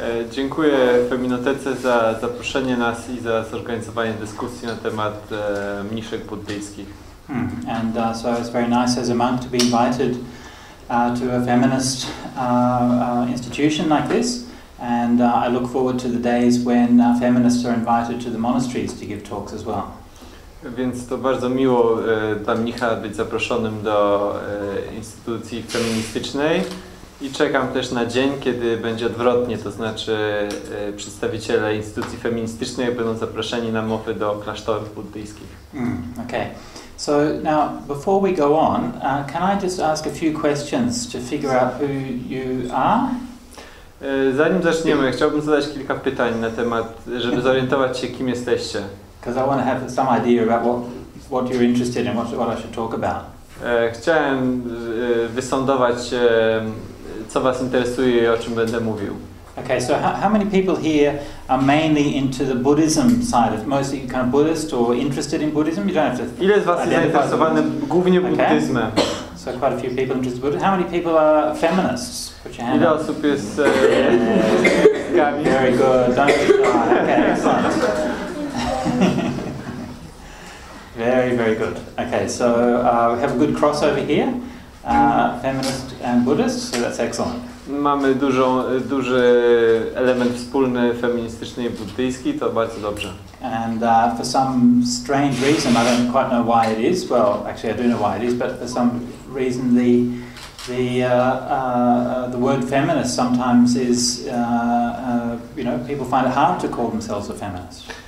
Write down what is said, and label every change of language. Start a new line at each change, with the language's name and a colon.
Polish: Dziękuję Feminotece za zaproszenie nas i za zorganizowanie dyskusji na temat mniszek buddyjskich.
English: So it's very nice as a monk to be invited to a feminist institution like this, and I look forward to the days when feminists are invited to the monasteries to give talks as well.
Polish: Więc to bardzo miło dla mnicha być zaproszonym do instytucji feministycznej. I czekam też na dzień, kiedy będzie odwrotnie, to znaczy przedstawiciele instytucji feministycznej będą zaproszeni na mowy do klasztorów buddyjskich.
English: Okay. So now, before we go on, can I just ask a few questions to figure out who you are?
Polish: Zanim zaczniemy, chciałbym zadać kilka pytań na temat, żeby zorientować się, kim jesteście.
English: Because I want to have some idea about what you're interested in, what I should talk about.
Polish: Chciałem wysądować, co was interesuje i o czym będę mówił.
English: Okay, so how many people here are mainly into the Buddhism side of, mostly kind of Buddhist or interested in Buddhism? You don't have to.
Polish: Ile z was jest zainteresowany głównie buddyzmem?
English: So quite a few people interested in Buddhism. How many people are feminists? Put your hand up.
Polish: Ile osób jest feministkami?
English: Very good. Don't be shy. Okay, excellent. Very, very good. Okay, so we have a good crossover here. Feminist and Buddhist, so that's excellent. Mamy duży element wspólny feministyczny i buddyjski, to bardzo dobrze. And for some strange reason, I don't quite know why it is, well, actually I do know why it is, but for some reason the word feminist sometimes is, you know, people find it hard to call themselves a feminist.